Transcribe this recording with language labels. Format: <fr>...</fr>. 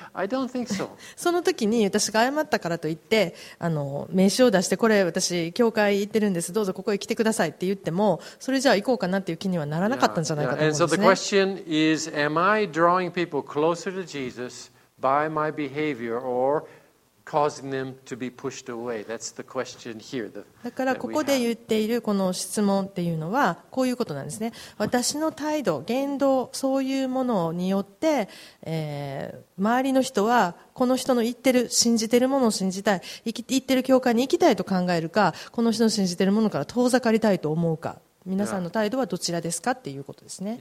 <en>I don't think so.</en> <ja>その時に私が謝ったからといって、名刺を出して、これ私教会行ってるんです、どうぞここへ来てくださいって言っても、それじゃあ行こうかなっていう気にはならなかったんじゃないかと思うんですね。</ja> <en>And so the question is, am I drawing people closer to Jesus by my behavior or causing them to be pushed away. That's the question here.</en> <ja>だからここで言っているこの質問っていうのはこういうことなんですね。私の態度、言動、そういうものによって、周りの人はこの人の言ってる、信じてるものを信じたい、言ってる教会に行きたいと考えるか、この人の信じてるものから遠ざかりたいと思うか、皆さんの態度はどちらですかっていうことですね。</ja>